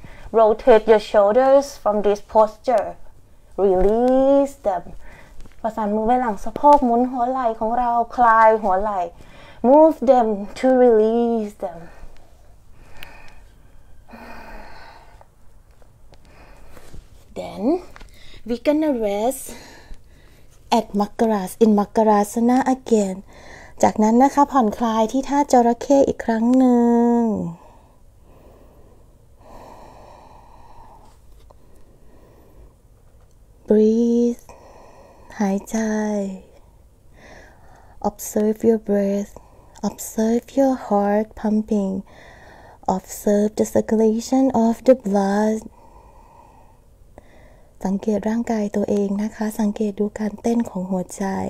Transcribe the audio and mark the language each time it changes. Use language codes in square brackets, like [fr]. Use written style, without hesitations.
[en] Rotate your shoulders from this posture. Release them. [th] ประสานมือไว้หลังสะโพกหมุนหัวไหล่ของเราคลายหัวไหล่ [en] Move them to release them. Then we're gonna rest at Makaras in Makarasana again. [th] จากนั้นนะคะผ่อนคลายที่ท่าจระเข้อีกครั้งหนึ่ง [en] Breathe [th] หายใจ [en] Observe your breath Observe your heart pumping Observe the circulation of the blood [th] สังเกตร่างกายตัวเองนะคะสังเกตดูการเต้นของหัวใจ